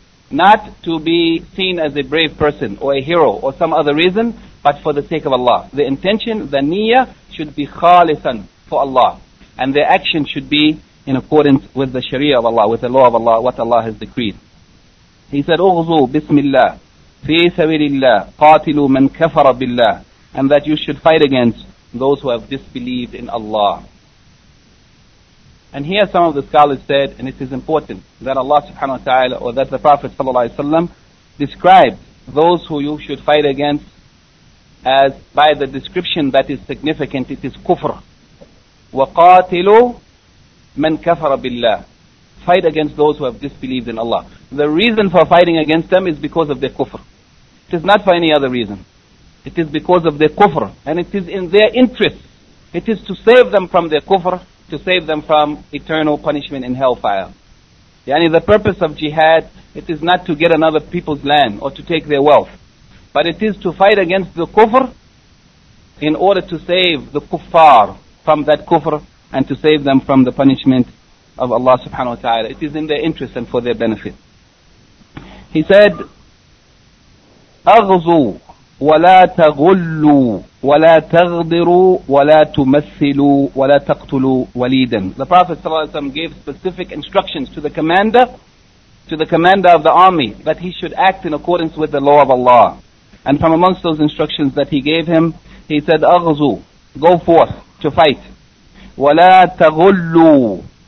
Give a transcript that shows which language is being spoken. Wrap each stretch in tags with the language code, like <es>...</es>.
<en>Not to be seen as a brave person or a hero or some other reason, but for the sake of Allah. The intention, the niyyah, should be khalis for Allah. And their action should be in accordance with the sharia of Allah, with the law of Allah, what Allah has decreed. He said,</en> <ar>أغزو بسم الله في سبيل الله قاتلوا من كفر بالله.</ar> <en>And that you should fight against those who have disbelieved in Allah. And here some of the scholars said, and it is important, that Allah subhanahu wa ta'ala, or that the Prophet sallallahu alayhi wa sallam, described those who you should fight against as by the description that is significant, it is kufr.</en> <ar>وقاتلوا من كفر بالله.</ar> <en>Fight against those who have disbelieved in Allah. The reason for fighting against them is because of their kufr. It is not for any other reason. It is because of their kufr. And it is in their interest. It is to save them from their kufr, to save them from eternal punishment in hellfire. Yani the purpose of jihad, it is not to get another people's land or to take their wealth. But it is to fight against the kufr in order to save the kuffar from that kufr and to save them from the punishment of Allah subhanahu wa ta'ala. It is in their interest and for their benefit. He said,</en> <ar>أغزوا ولا تغلوا ولا تغدروا ولا تمثلوا ولا تقتلوا وليدا.</ar> <en>The Prophet sallallahu alayhi wa sallam gave specific instructions to the commander of the army, that he should act in accordance with the law of Allah. And from amongst those instructions that he gave him, he said, أغزوا, go forth to fight.</en> <ar>ولا تغلوا.</ar>